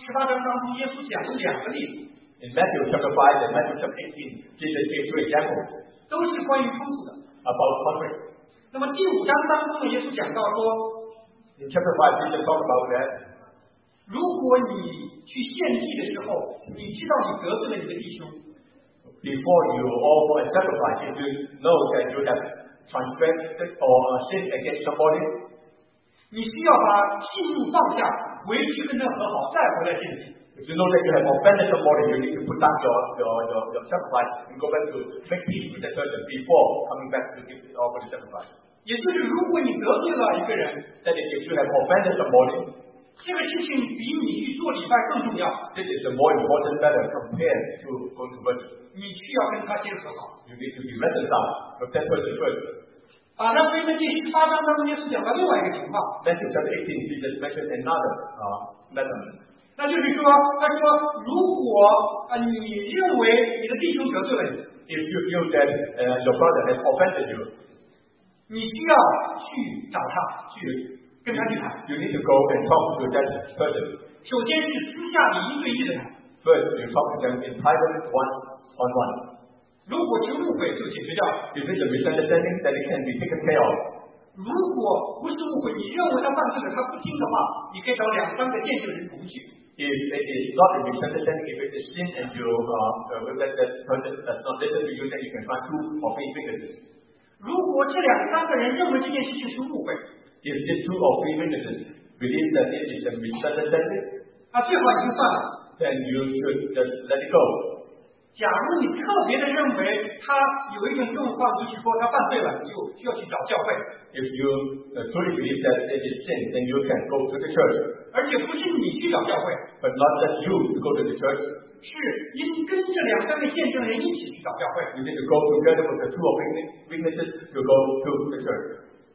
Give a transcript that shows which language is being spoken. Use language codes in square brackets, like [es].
[zh] 那么在马太福音的第五章和第十八章当中，耶稣讲了两个例子。 [en] In Matthew chapter 5 and Matthew chapter 18, Jesus gave two examples. [zh] 都是关于冲突的。 [en] About conflict. [zh] 那么第五章当中，耶稣讲到说。 [en] In chapter 5, Jesus talked about that. [zh] 如果你去献祭的时候，你知道你得罪了你的弟兄。 [en] Before you offer a sacrifice, if you know that you have transgressed or sinned against somebody, [zh] 你需要把信物放下，回去跟他和好，再回来献祭。 [en] If you know that you have offended somebody, you need to put down your sacrifice and go back to make peace with that person before coming back to give offer the sacrifice. [zh] 也就是如果你得罪了一个人, [en] that is, if you have offended somebody, [zh] 这个事情比你去做礼拜更重要。 [en] This is a more important matter compared to going to worship. [zh] 你需要跟他先和好。 [en] You need to be reconciled with that person first. [zh] 马太福音的第十八章当中，耶稣讲了另外一个情况。 [en] Matthew chapter 18, Jesus mentioned another matter. [zh] 那就是说，他说，如果你认为你的弟兄得罪了你， [en] If you feel that your brother has offended you, [zh] 你需要去找他，去跟他去谈。 [en] You need to go and talk to that person. [zh] 首先是私下里一对一的谈。 [en] First, you talk to them in private one. On one. [zh] 如果是误会就解决掉。 [en] If it's a misunderstanding, then it can be taken care of. [zh] 如果不是误会，你认为他犯罪了，他不听的话，你可以找两三个见证人同去。 [en] if it is not in repentance, then if it is sin and you realize that person does not listen to you, then you can find two or three witnesses. [zh] 如果这两三个人认为这件事情是误会, [en] if these two or three witnesses believe that it is a misunderstanding, [zh] 那最好已经算了, [en] then you should just let it go. [zh] 假如你特别的认为他有一种状况，就是说他犯罪了，你就要去找教会。 [en] If you truly believe that it is sin, then you can go to the church. [zh] 而且不是你去找教会, [en] but not just you to go to the church. [zh] 是应跟这两三个见证人一起去找教会。 [en] You need to go together with the two of witnesses to go to the church.